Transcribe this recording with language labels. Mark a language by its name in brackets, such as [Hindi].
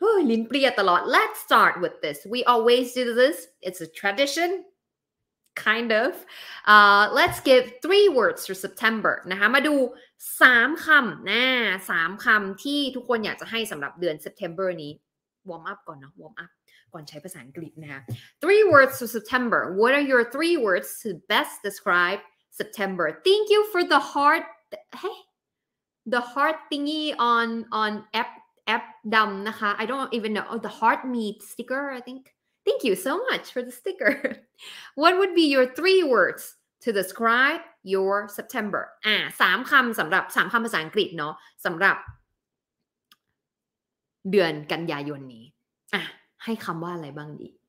[Thai] ลิ้นเปรี้ยตลอด [English] Let's start with this We always do this It's a tradition Kind of Let's give three words for September [Thai] นะคะมาดู3คำนะ3คำที่ทุกคนอยากจะให้สำหรับเดือน September นี้ [English] Warm up [Thai] ก่อนเนาะ [English] Warm up [Thai] ก่อนใช้ภาษาอังกฤษนะคะ [English] Three words for September. What are your three words to best describe September? Thank you for the heart. Hey, the heart thingy on app dumb นะคะ I don't even know. Oh, the heart meat sticker. I think. Thank you so much for the sticker. What would be your three words to describe your September? [Thai] สามคำสำหรับสามคำภาษาอังกฤษเนาะสำหรับเดือนกันยายนนี้อ่ะให้คำว่าอะไรบ้างดี